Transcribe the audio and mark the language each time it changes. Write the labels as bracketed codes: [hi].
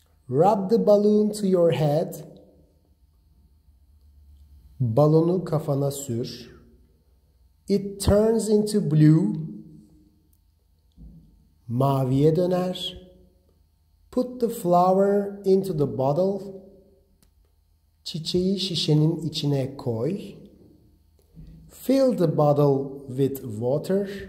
[en] Rub the balloon to your head. [tr] Balonu kafana sür. [en] It turns into blue. [tr] Maviye döner. [en] Put the flower into the bottle. [tr] Çiçeği şişenin içine koy. [en] Fill the bottle with water.